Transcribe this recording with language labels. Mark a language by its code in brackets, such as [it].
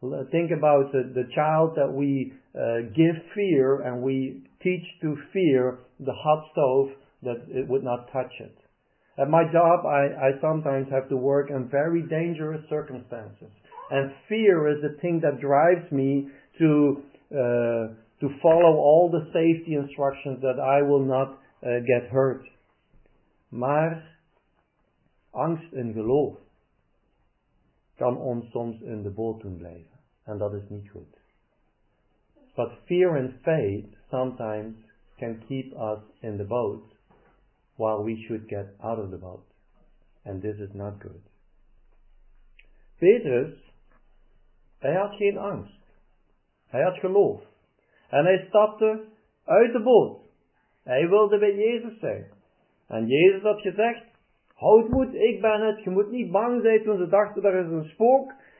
[en] Think about the child that we give fear and we teach to fear the hot stove that it would not touch it. At my job, I sometimes have to work in very dangerous circumstances. And fear is the thing that drives me to follow all the safety instructions that I will not get hurt. [nl] Maar angst en geloof kan ons soms in de boot doen blijven. En dat is niet goed. [en] But fear and faith sometimes can keep us in the boat while we should get out of the boat. And this is not good. [nl] Petrus, hij had geen angst. Hij had geloof. En hij stapte uit de boot. Hij wilde bij Jezus zijn. En Jezus had gezegd, houd moed, ik ben het. Je moet niet bang zijn toen ze dachten, er is een spook.